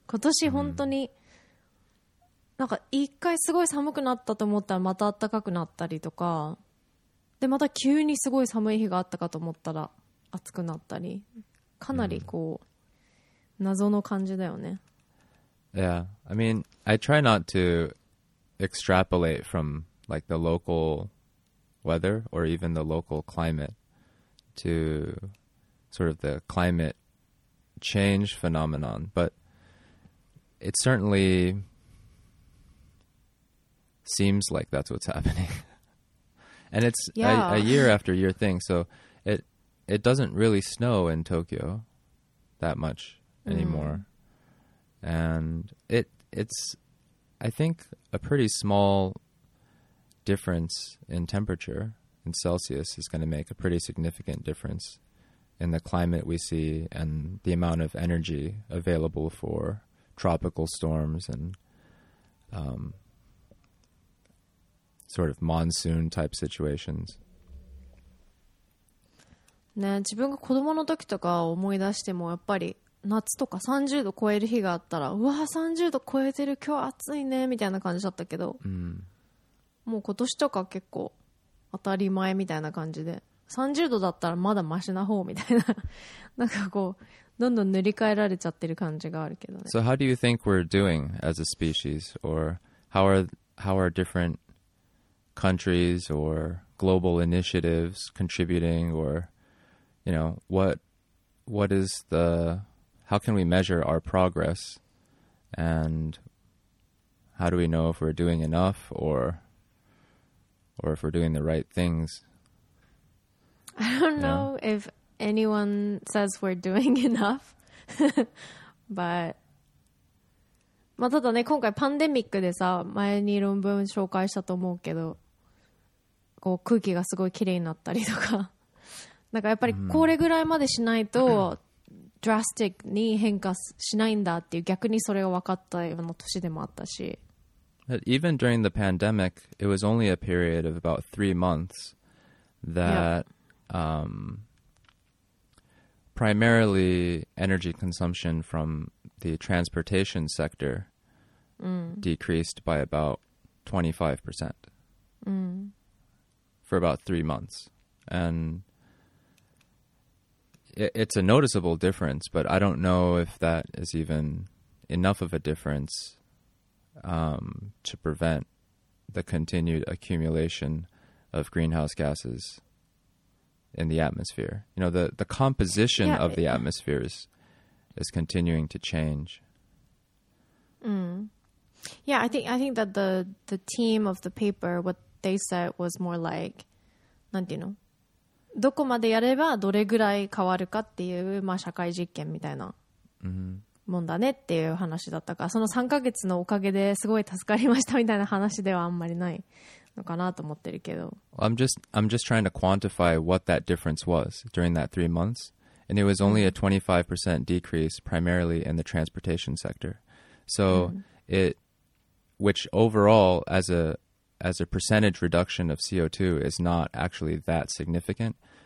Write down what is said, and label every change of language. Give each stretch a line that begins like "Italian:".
Japanese: 今年本当に、なんか一回すごい寒くなったと思ったらまた暖かくなったりとか、でまた急にすごい寒い日があったかと思ったら暑くなったり、かなりこう、謎の感じだよね。
English: Yeah, I mean, I try not to extrapolate fromLike the local weather or even the local climate to sort of the climate change phenomenon. But it certainly seems like that's what's happening. And it's a year after year thing. So it doesn't really snow in Tokyo that much anymore. Mm. And it's, I think, a pretty small... difference in temperature in Celsius is going to make a pretty significant difference in the climate we see and the amount of energy available for tropical storms and sort of monsoon type situations.
Japanese: ね、自分が子供の時とか思い出しても、やっぱり夏とか30度超える日があったら、うわ、30度超えてる、今日暑いねみたいな感じだったけど。うん、もう今年とか結構当たり前みたいな感じで、30度だったらまだマシな方みたいな、なんかこうどんどん塗り替えられちゃってる感じがあるけどね。
English: So how do you think we're doing as a species, or how are different countries or global initiatives contributing, or you know, what is the, how can we measure our progress, and how do we know if we're doing enough or if we're doing the right things? I don't know if anyone says we're doing enough. But
Japanese: まあただね、今回パンデミックでさ、前に論文紹介したと思うけど、こう空気がすごいきれいになったりとか、なんかやっぱりこれぐらいまでしないと、うん、ドラスティックに変化しないんだっていう、逆にそれが分かったような年でもあったし。
English: But even during the pandemic, it was only a period of about 3 months that、primarily energy consumption from the transportation sector、decreased by about 25%、for about 3 months. And it's a noticeable difference, but I don't know if that is even enough of a difference、to prevent the continued accumulation of greenhouse gases in the atmosphere. You know, the composition of the atmosphere is continuing to change. Yeah, I think that the team of the paper, what they said was more like,
Japanese: なんていうの? どこまでやればどれぐらい変わるかっていう、まあ、社会実験みたいなもんだねっていう話だったか、その3ヶ月のおかげですごい助かりましたみたいな話ではあんまりないのかなと思ってるけど、
English: I'm just trying to quantify what that difference was during that 3 months, and it was only a 25% decrease primarily in the transportation sector, so、mm-hmm. it which overall as a percentage reduction of CO2 is not actually that significant.